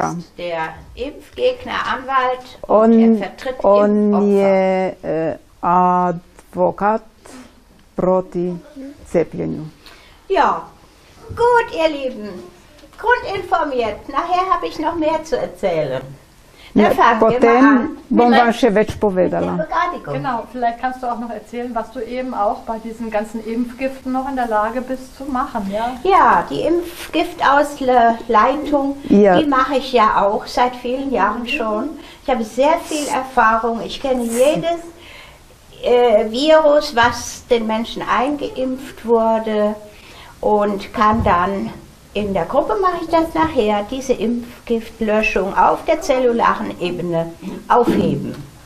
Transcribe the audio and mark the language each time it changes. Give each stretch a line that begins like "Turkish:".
German: Er ist der Impfgegner, Anwalt und er vertritt Impfopfer.
Slovenian: On je advokat proti cepljenju.
German: Ja, gut ihr Lieben, grundinformiert. Nachher habe ich noch mehr zu erzählen.
Slovenian: Potem bom vam še več povedala.
German: Genau, vielleicht kannst du auch noch erzählen, was du eben auch bei diesen ganzen Impfgiften noch in der Lage bist zu machen. Ja, ja, die Impfgiftausleitung, ja, die mache ich ja auch seit vielen Jahren schon. Ich habe sehr viel Erfahrung. Ich kenne jedes Virus, was den Menschen eingeimpft wurde und kann dann in der Gruppe mache ich das nachher, diese Impfgiftlöschung auf der zellularen Ebene aufheben.